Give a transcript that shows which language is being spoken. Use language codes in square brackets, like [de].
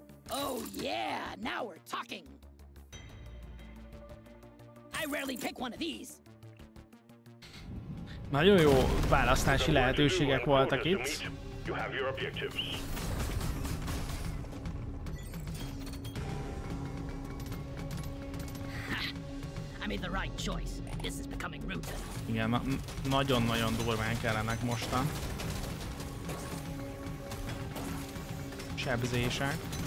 [en] Oh yeah, now we're talking. I rarely pick one of these. [hu] Nagyon jó választási lehetőségek voltak itt. [en] You have your objectives. I made the right choice. This is becoming routine. [hu] Igen, nagyon-nagyon durván kellenek mostan. Sebzések.